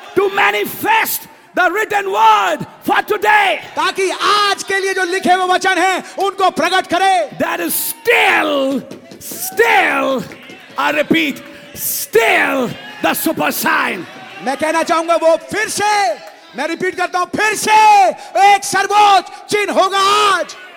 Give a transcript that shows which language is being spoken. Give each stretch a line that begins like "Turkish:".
English: To manifest the written word for today.
Hindi: ताकि आज के लिए जो लिखे हुए वचन हैं, उनको प्रकट करे.
English: That is still, I repeat, still the super sign.
Hindi: मैं कहना चाहूंगा वो फिर से, मैं रिपीट करता हूं, फिर से एक सर्वोच्च चिन्ह होगा आज.